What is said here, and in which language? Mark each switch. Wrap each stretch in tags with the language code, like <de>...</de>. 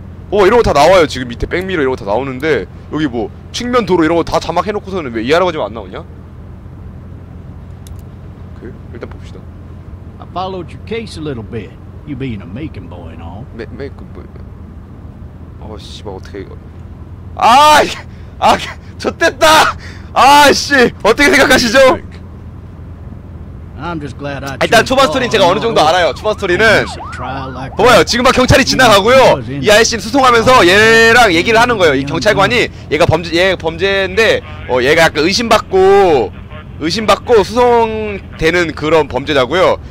<ko>오 이런 거 다 나와요 지금 밑에 백미러 이런 거 다 나오는데 여기 뭐 측면 도로 이런 거 다 자막 해놓고서는 왜 이 할아버지만 안 나오냐? 오케이 일단 봅시다.</ko> <en>I followed your case a little bit. You being a making boy and all.</en> <ko>메이크 보이. 아씨 뭐 어떻게 아이 아 졌댔다. 아씨 어떻게 생각하시죠?</ko> <en>I'm just glad I.</en> <ko>일단 초반 스토리는 제가 어느 정도 알아요. 초반 스토리는 보여요. 지금 막 경찰이 지나가고요. 이 아저씨는 수송하면서 얘랑 얘기를 하는 거예요. 이 경찰관이 얘가 범죄인데 얘가 약간 의심받고 수송되는 그런 범죄자고요.</ko>